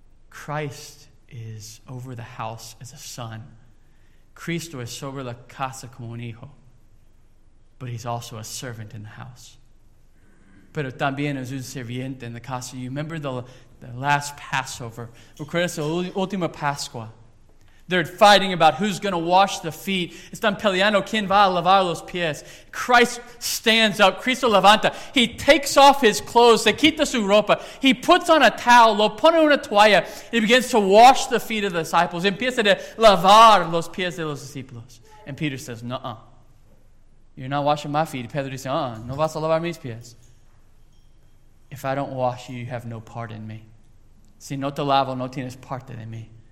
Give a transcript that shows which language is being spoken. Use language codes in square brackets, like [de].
[en] Christ is over the house as a son. [es] Cristo es sobre la casa como un hijo. [en] But he's also a servant in the house. [es] Pero también es un sirviente en la casa. [en] You remember the last Passover. [es] Recuerdas la última Pascua. [en] They're fighting about who's going to wash the feet. [es] Están peleando quién va a lavar los pies. [en] Christ stands up. [es] Cristo levanta. [en] He takes off his clothes. [es] Se quita su ropa. [en] He puts on a towel. [es] Lo pone una toalla. [en] He begins to wash the feet of the disciples. [es] Empieza a lavar los pies de los discípulos. [en] And Peter says, nuh-uh. You're not washing my feet. [es] Pedro dice, uh-uh. No vas a lavar mis pies. [en] If I don't wash you, you have no part in me. [es] Si no te lavo, no tienes parte de mí.